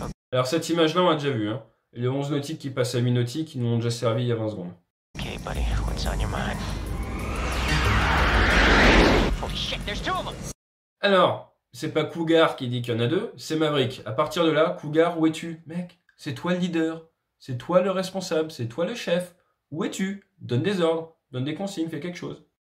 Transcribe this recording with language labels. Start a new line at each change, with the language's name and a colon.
French: Alors cette image-là, on a déjà vu, hein. Les 11 nautiques qui passent à 8 nautiques, ils nous ont déjà servi il y a 20 secondes.
English: Okay, buddy, what's on your mind? Holy shit, there's two of them.
French: Alors, c'est pas Cougar qui dit qu'il y en a deux, c'est Maverick. À partir de là, Cougar, où es-tu? Mec, c'est toi le leader, c'est toi le responsable, c'est toi le chef. Où es-tu? Donne des ordres, donne des consignes, fais quelque chose.